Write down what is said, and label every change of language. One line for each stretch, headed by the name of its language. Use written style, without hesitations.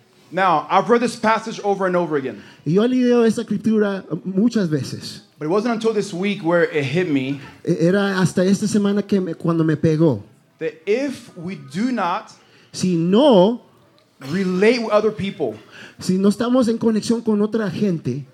English: Now, I've read this passage over and over again.
Spanish: Y yo he leído esta escritura muchas veces.
English: But it wasn't until this week where it hit me.
Spanish: Era hasta esta semana que cuando me pegó.
English: That if we do not,
Spanish: si no,
English: relate with other people.
Spanish: Si no estamos en conexión con otra gente.